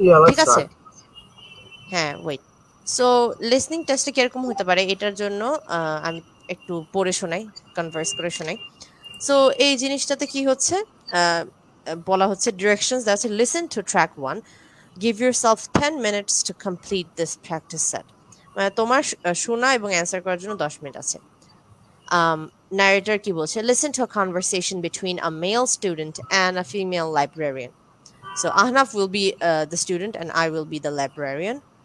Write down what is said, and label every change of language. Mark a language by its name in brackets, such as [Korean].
[Bangla] ঠিক আছে? হ্যাঁ, ওয়েট. সো লিসনিং টেস্ট কিরকম হতে পারে এটার জন্য আমি একটু পড়ে শোনাই, কনভার্স করে শোনাই. সো এই জিনিসটাতে কি হচ্ছে, বলা হচ্ছে directions, [English] That's listen to track 1. Give yourself 10 minutes to complete this practice set. [Bangla] মানে তোমার শোনা এবং অ্যান্সার করার জন্য 10 মিনিট আছে. নারেটর কি বলছে, [English] Listen to a conversation between a male student and a female librarian. So Ahnaf will be the student and I will be the librarian.